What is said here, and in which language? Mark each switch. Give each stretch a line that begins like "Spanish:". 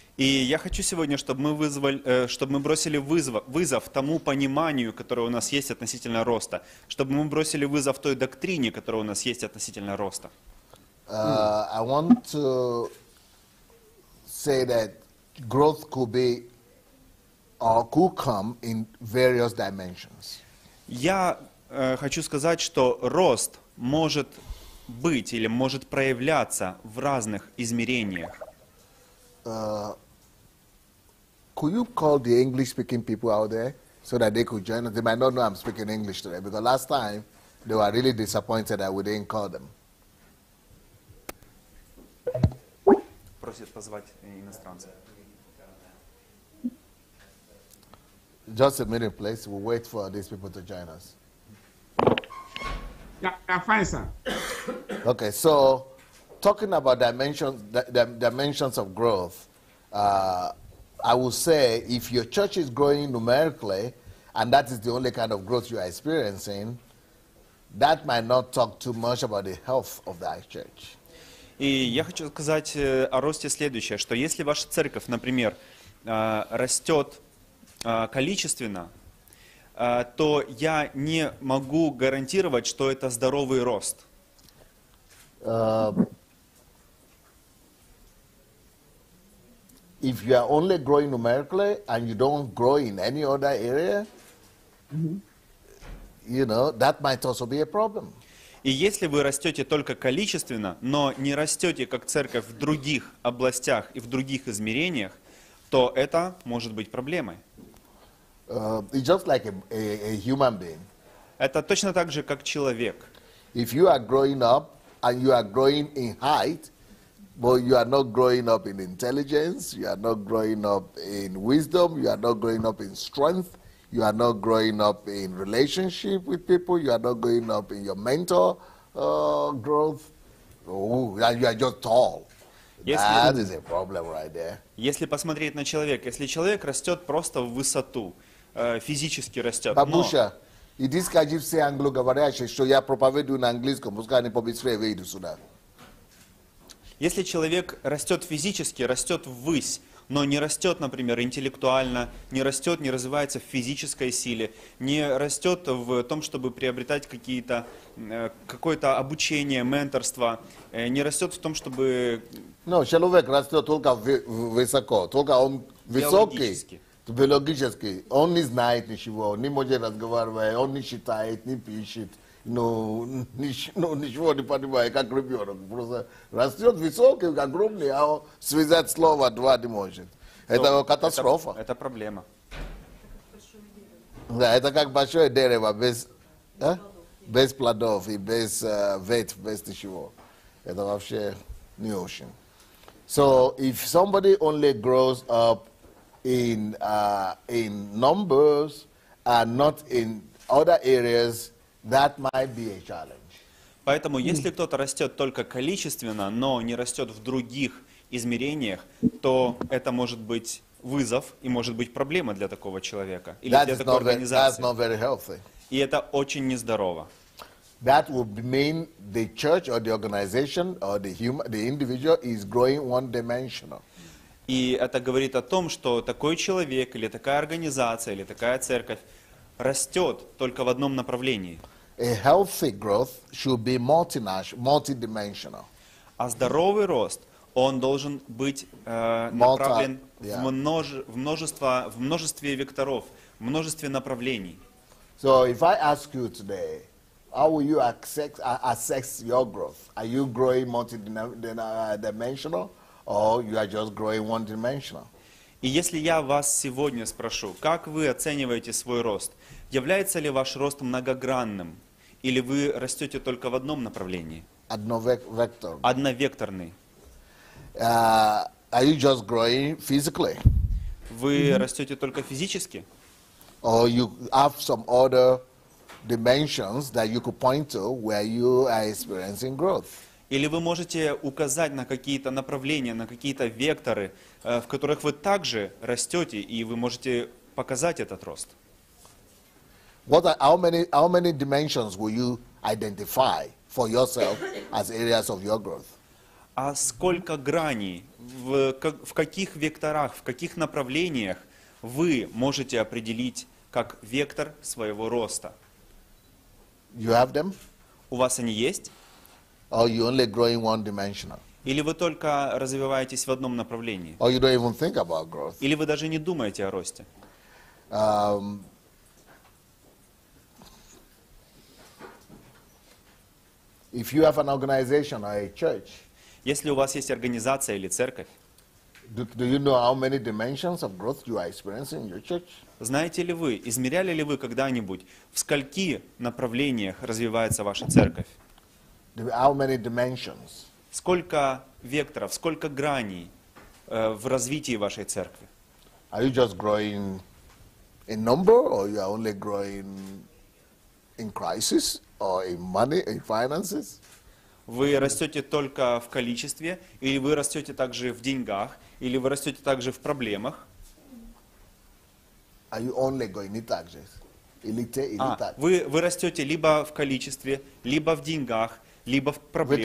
Russian: И я хочу сегодня, чтобы мы бросили вызов тому пониманию, которое у нас есть относительно роста, чтобы мы бросили вызов той доктрине, которая у нас есть относительно роста.
English: I want to say that growth could be or could come in various dimensions.
Russian: Я хочу сказать, что рост может быть или может проявляться в разных измерениях.
English: Could you call the English speaking people out there so that they could join us? They might not know I'm speaking English today, because last time they were really disappointed that we didn't call them.
Russian: Просит позвать иностранцев.
English: Just a minute, please. We'll wait for these people to join us. Yeah, I'm fine, sir. Okay, so talking about dimensions of growth, I will say if your church is growing numerically, and that is the only kind of growth you are experiencing, that might not talk too much about the health of that church.
Russian: И я хочу сказать о росте следующее, что если ваша церковь, например, растет количественно, то я не могу гарантировать, что это здоровый рост.
English: if you are only growing numerically and you don't grow in any other area, you know, that might also be a problem.
Russian: И если вы растете только количественно, но не растете как церковь в других областях и в других измерениях, то это может быть проблемой.
English: It's just like a human being.
Russian: Это точно так же, как человек.
English: If you are growing up and you are growing in height, but you are not growing up in intelligence, you are not growing up in wisdom, you are not growing up in strength. You are not growing up in relationship with people. You are not growing up in your mental growth. Ooh, and you are just tall. That is a problem right there.
Russian: Если посмотреть на человека, если человек растет просто в высоту, физически растет, Бабуша, и диска дивсе англо говорящий, что я проповедую на английском, пускай они побыстрее выйдут сюда. Если человек растет физически, растет ввысь, но не растет, например, интеллектуально, не растет, не развивается в физической силе, не растет в том, чтобы приобретать какие-то, какое-то обучение, менторство, не растет в том, чтобы... Но человек растет только высоко, только он высокий, биологически. Он не знает ничего, не может разговаривать, он не считает, не пишет, ничего не понимает, как ребенок. Просто растет высокий, огромный, а он связать слово два не может. Это катастрофа. Это проблема. Да, это как большое дерево без, а? Без плодов и без ветвь, без ничего. Это вообще не очень.
English: So, if somebody only grows up in numbers and not in other areas, that might be a challenge.
Russian: Поэтому, если кто-то растет только количественно, но не растет в других измерениях, то это может быть вызов и может быть проблема для такого человека или
English: that
Russian: для такой организации.
English: That's not very healthy.
Russian: И это очень нездорово.
English: That would mean the church or the organization or the human, the individual is growing one-dimensional.
Russian: И это говорит о том, что такой человек или такая организация или такая церковь растет только в одном направлении.
English: A healthy growth should be multi-dimensional.
Russian: А здоровый рост, он должен быть направлен в множестве векторов, в множестве направлений.
English: So if I ask you today, how will you assess your growth? Are you growing multi-dimensional or you are just growing one-dimensional?
Russian: И если я вас сегодня спрошу, как вы оцениваете свой рост? Является ли ваш рост многогранным? Или вы растете только в одном направлении? Одновекторный.
English: Are you just growing physically?
Russian: Вы растете только физически?
English: Or you have some other dimensions that you could point to where you are experiencing growth?
Russian: Или вы можете указать на какие-то направления, на какие-то векторы, в которых вы также растете, и вы можете показать этот рост?
English: How many dimensions will you identify for yourself as areas of your growth?
Russian: А сколько граней, в каких векторах, в каких направлениях вы можете определить как вектор своего роста?
English: You have them?
Russian: У вас они есть?
English: Or you only growing one-dimensional.
Russian: Или вы только развиваетесь в одном направлении.
English: Or you don't even think about growth.
Russian: Или вы даже не думаете о росте.
English: If you have an organization or a church.
Russian: Если у вас есть организация или церковь.
English: Do you know how many dimensions of growth you are experiencing in your church?
Russian: Знаете ли вы, измеряли ли вы когда-нибудь, в скольки направлениях развивается ваша церковь?
English: How many dimensions?
Russian: Сколько векторов, сколько граней в развитии вашей церкви?
English: Are you just growing in number, or you are only growing in crisis, or in money, in finances?
Russian: Вы растете только в количестве, или вы растете также в деньгах, или вы растете также в проблемах?
English: Are you only going in taxes?
Russian: Вы растете либо в количестве, либо в деньгах, либо в проблемах.